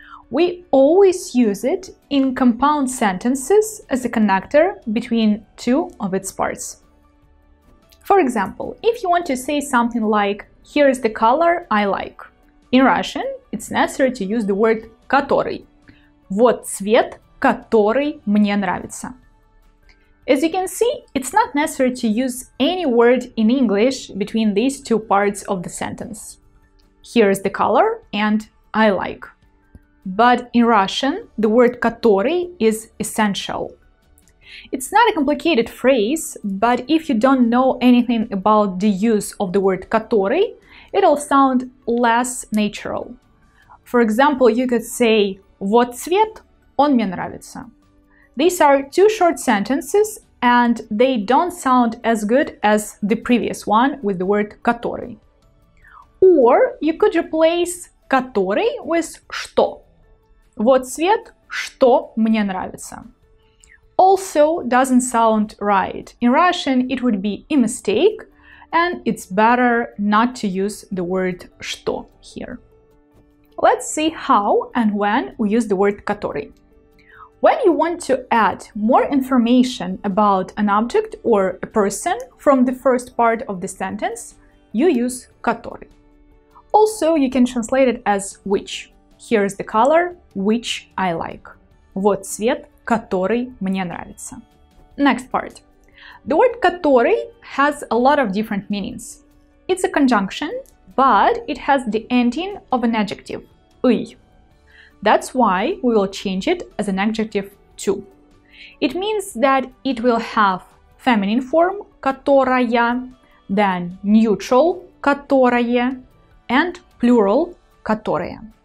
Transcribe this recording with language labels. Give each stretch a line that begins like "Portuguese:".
English: We always use it in compound sentences as a connector between two of its parts. For example, if you want to say something like, "Here is the color I like," in Russian, it's necessary to use the word который.
Russian: Вот цвет, который мне нравится.
English: As you can see, it's not necessary to use any word in English between these two parts of the sentence. Here is the color and I like. But in Russian, the word который is essential. It's not a complicated phrase, but if you don't know anything about the use of the word который, it'll sound less natural. For example, you could say
Russian: вот цвет, он мне нравится.
English: These are two short sentences, and they don't sound as good as the previous one with the word который. Or you could replace который with что.
Russian: Вот цвет, что мне нравится.
English: Also doesn't sound right. In Russian, it would be a mistake, and it's better not to use the word что here. Let's see how and when we use the word который. When you want to add more information about an object or a person from the first part of the sentence, you use который. Also, you can translate it as which. Here is the color which I like.
Russian: Вот цвет, который мне нравится.
English: Next part. The word который has a lot of different meanings. It's a conjunction, but it has the ending of an adjective, ый. That's why we will change it as an adjective too. It means that it will have feminine form, которая, then neutral, которое, and plural, которое.